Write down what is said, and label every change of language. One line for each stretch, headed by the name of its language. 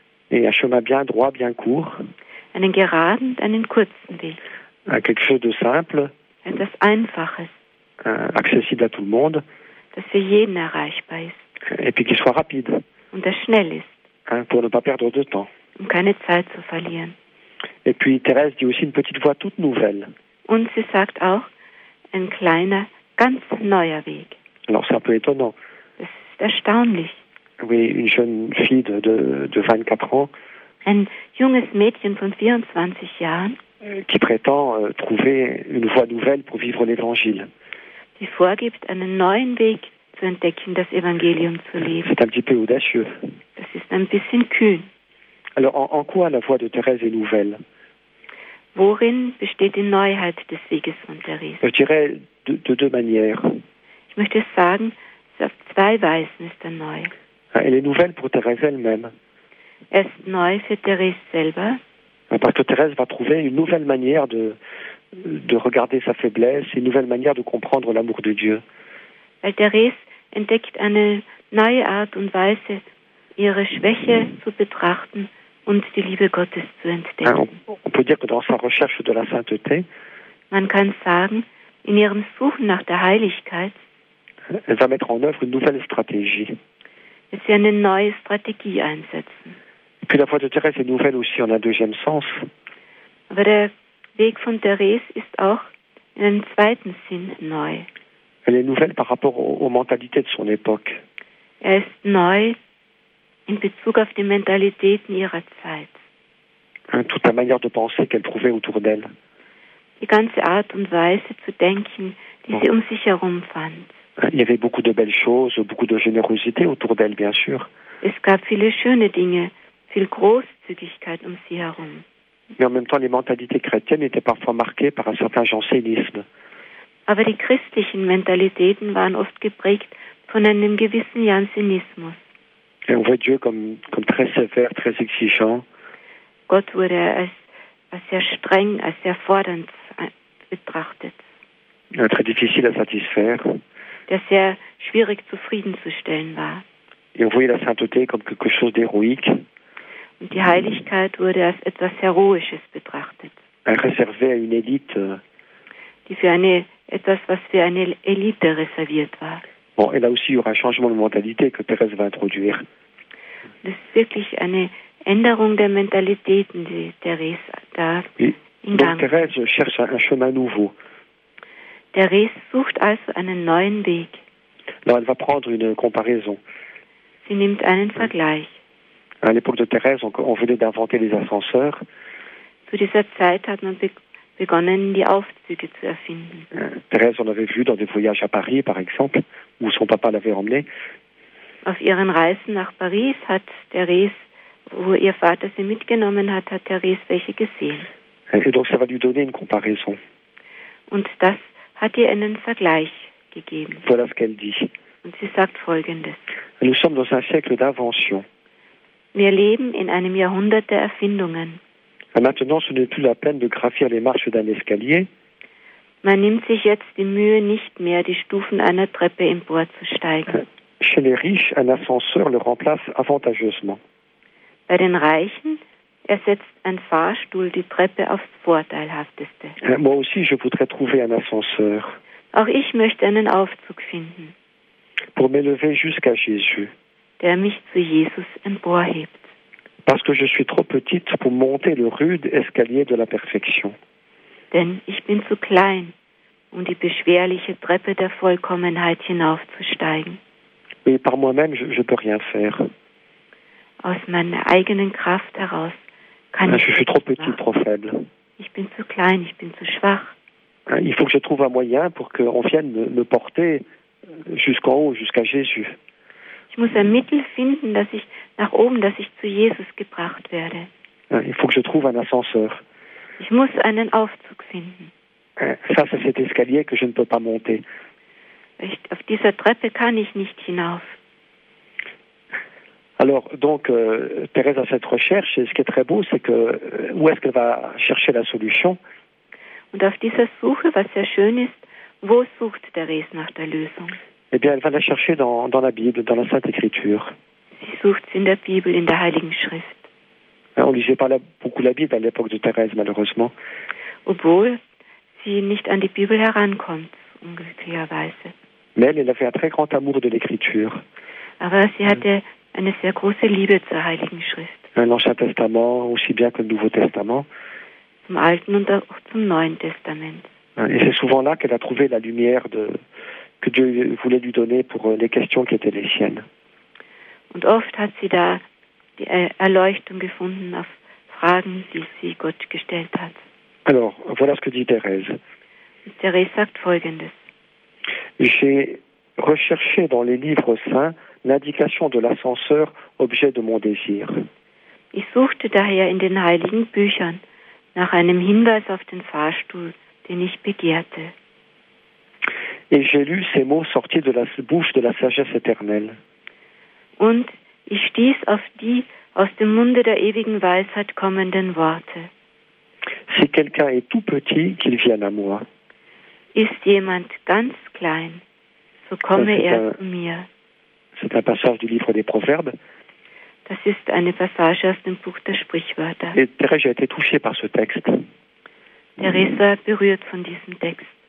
French: Et un chemin bien droit, bien court.
German: Einen geraden, einen kurzen Weg.
French: Quelque chose de simple.
German: Etwas Einfaches.
French: Accessible à tout le monde.
German: Dass für jeden erreichbar ist.
French: Et puis qu'il soit rapide.
German: Und das schnell ist.
French: Pour ne pas perdre de temps.
German: Um keine Zeit zu verlieren.
French: Et puis Thérèse dit aussi une petite voix toute nouvelle.
German: Und sie sagt auch, ein kleiner, ganz neuer Weg.
French: Alors c'est un peu étonnant.
German: Das ist erstaunlich.
French: Oui, une jeune fille de 24 ans.
German: Ein junges Mädchen von 24 Jahren.
French: Qui prétend trouver une voie nouvelle pour vivre l'Évangile.
German: Die vorgibt, einen neuen Weg zu entdecken, das Evangelium zu leben.
French: C'est un petit peu audacieux.
German: Das ist ein bisschen kühn.
French: Alors, en quoi la voie de Thérèse est nouvelle?
German: Worin besteht die Neuheit des Weges von Thérèse?
French: Je dirais de deux manières.
German: Ich möchte sagen, auf zwei Weisen ist er neu.
French: Elle est nouvelle pour Thérèse elle-même.
German: Er ist neu für Thérèse selber.
French: Parce que Thérèse va trouver une nouvelle manière de regarder sa faiblesse, une nouvelle manière de comprendre l'amour de Dieu.
German: Weil Thérèse entdeckt eine neue Art und Weise, ihre Schwäche zu betrachten und die Liebe Gottes zu entdecken.
French: On peut dire que dans sa recherche de la sainteté,
German: man kann sagen, in ihrem Suchen nach der Heiligkeit,
French: elle va mettre en œuvre une nouvelle stratégie.
German: Wird sie eine neue Strategie einsetzen.
French: Puis la voix de Thérèse est nouvelle aussi en un deuxième sens.
German: Aber der Weg von Thérèse ist auch in einem zweiten Sinn neu.
French: Elle est nouvelle par rapport aux mentalités de son époque.
German: Er ist neu in Bezug auf die Mentalitäten ihrer Zeit.
French: Toute la manière de penser qu'elle trouvait autour d'elle.
German: Die ganze Art und Weise zu denken, die sie um sich herum fand.
French: Il y avait beaucoup de belles choses, beaucoup de générosité autour d'elle, bien sûr.
German: Es gab viele schöne Dinge. Viel Großzügigkeit um sie herum.
French: Mais en même temps, les mentalités chrétiennes étaient parfois marquées par un certain jansénisme.
German: Aber die christlichen Mentalitäten waren oft geprägt von einem gewissen Jansenismus.
French: Et on voit Dieu comme très sévère, très exigeant.
German: Gott wurde als sehr streng, als sehr fordernd betrachtet.
French: Très difficile à satisfaire.
German: Der sehr schwierig zufriedenzustellen war.
French: Et on voyait la sainteté comme quelque chose d'héroïque.
German: Und die Heiligkeit wurde als etwas Heroisches betrachtet.
French: Réservé à une élite.
German: Die für eine, etwas, was für eine Elite reserviert war.
French: Bon, et là aussi, il y aura un changement de mentalité que Thérèse va introduire.
German: Das ist wirklich eine Änderung der Mentalitäten, die Thérèse da in Gang.
French: Donc Thérèse cherche un chemin nouveau.
German: Thérèse sucht also einen neuen Weg.
French: Non, elle va prendre une comparaison.
German: Sie nimmt einen Vergleich.
French: À l'époque de Thérèse, on venait d'inventer les ascenseurs.
German: Zu dieser Zeit hat man begonnen, die Aufzüge zu erfinden.
French: Thérèse, on avait vu dans des voyages à Paris, par exemple, où son papa l'avait emmenée.
German: Auf ihren Reisen nach Paris hat Thérèse, wo ihr Vater sie mitgenommen hat, hat Thérèse welche gesehen.
French: Et donc, ça va lui donner une comparaison.
German: Und das hat ihr einen Vergleich gegeben.
French: Voilà ce qu'elle dit.
German: Und sie sagt Folgendes.
French: Nous sommes dans un siècle d'invention.
German: Wir leben in einem Jahrhundert der Erfindungen.
French: Maintenant, ce n'est plus la peine de gravir les marches d'un escalier.
German: Man nimmt sich jetzt die Mühe, nicht mehr die Stufen einer Treppe emporzusteigen.
French: Chez les riches, un ascenseur le remplace avantageusement.
German: Bei den Reichen ersetzt ein Fahrstuhl die Treppe aufs Vorteilhafteste.
French: Moi aussi, je voudrais trouver un ascenseur.
German: Auch ich möchte einen Aufzug finden.
French: Pour m'élever jusqu'à Jésus.
German: Der mich zu Jesus emporhebt.
French: Parce que je suis trop petite pour monter le rude escalier de la perfection.
German: Denn ich bin zu klein, um die beschwerliche Treppe der Vollkommenheit hinaufzusteigen.
French: Mais par moi-même, je ne peux rien faire.
German: Aus meiner eigenen Kraft heraus kann
French: je suis trop petit, trop faible.
German: Ich bin zu klein, ich bin zu schwach.
French: Il faut que je trouve un moyen pour qu'on vienne me porter jusqu'en haut, jusqu'à Jésus.
German: Ich muss ein Mittel finden, dass ich nach oben, dass ich zu Jesus gebracht werde.
French: Il faut que je trouve un ascenseur.
German: Ich muss einen Aufzug finden.
French: Ça, c'est cet escalier que je ne peux pas monter.
German: Auf dieser Treppe kann ich nicht hinauf.
French: Alors, donc, Thérèse a cette recherche, et ce qui est très beau, c'est que, où est-ce qu'elle va chercher la solution?
German: Und auf dieser Suche, was sehr schön ist, wo sucht Thérèse nach der Lösung?
French: Eh bien, elle va la chercher dans la Bible, dans la Sainte Écriture.
German: Sie sucht in der Bibel, in der Heiligen Schrift.
French: On ne lisait pas beaucoup la Bible à l'époque de Thérèse, malheureusement.
German: Obwohl sie nicht an die Bibel herankommt, unglücklicherweise.
French: Mais elle avait un très grand amour de l'Écriture.
German: Aber sie hatte eine sehr große Liebe zur Heiligen Schrift.
French: L'Ancien Testament, aussi bien que le Nouveau Testament.
German: Zum Alten und auch zum Neuen Testament.
French: Et c'est souvent là qu'elle a trouvé la lumière que Dieu voulait lui donner pour les questions qui étaient les siennes.
German: Und oft hat sie da die Erleuchtung gefunden auf Fragen, die sie Gott gestellt hat.
French: Alors, voilà ce que dit Thérèse.
German: Thérèse sagt Folgendes.
French: J'ai recherché dans les livres saints l'indication de l'ascenseur objet de mon désir.
German: Ich suchte daher in den heiligen Büchern nach einem Hinweis auf den Fahrstuhl, den ich begehrte.
French: Et j'ai lu ces mots sortis de la bouche de la sagesse éternelle.
German: Und ich stieß auf die aus dem Munde der ewigen Weisheit kommenden Worte.
French: Si quelqu'un est tout petit, qu'il vienne à moi.
German: Ist jemand ganz klein, so komme er zu mir.
French: C'est un passage du livre des Proverbes.
German: Das ist eine Passage aus dem Buch der Sprichwörter.
French: Et Thérèse a été touchée par ce texte.
German: Thérèse war berührt von diesem Text.